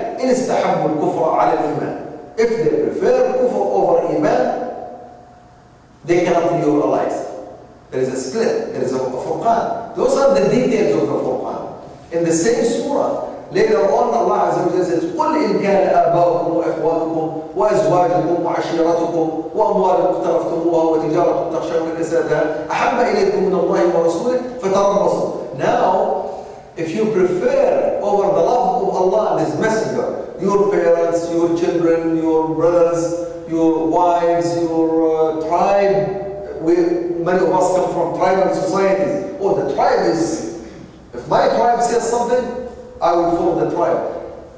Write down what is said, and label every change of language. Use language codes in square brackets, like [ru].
[ar] إن استحبوا الكفر على الإيمان. [en] If they prefer kufr over iman, they cannot be realized. There is a split, there is a furqan. Those are the details of the furqan. In the same surah, later on Allah Azza wa Jalla says, [ar] قل إن كان آباؤكم وإخوانكم وأزواجكم وعشيرتكم وأموال اقترفتموها وتجارة تخشون كسادها أحب إليكم من الله ورسوله فتربصوا. [en] Now, if you prefer over the love of Allah and His Messenger, your parents, your children, your brothers, your wives, your tribe, many of us come from tribal societies. Oh, the tribe is, if my tribe says something, I will follow the tribe.